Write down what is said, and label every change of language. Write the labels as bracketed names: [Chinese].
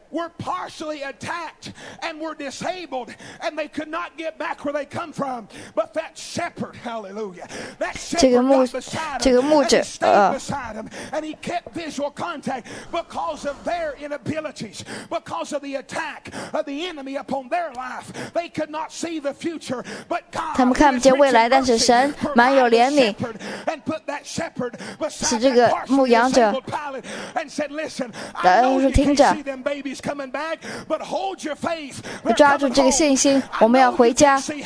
[English] We're partially attacked and we're disabled and they could not get back where they come from. But that shepherd, hallelujah, that shepherd got beside him, stayed beside him, and he kept visual contact because of their inabilities, because of the attack of the enemy upon their life. They could not see the future, but God, [Chinese] 他们看不见未来，但是神满有怜悯， [English] and put that shepherd beside that partially disabled pilot and said, listen, I know you can't see them babies. Coming back, but hold your faith. [Chinese] 抓住这个信心，我们要回家。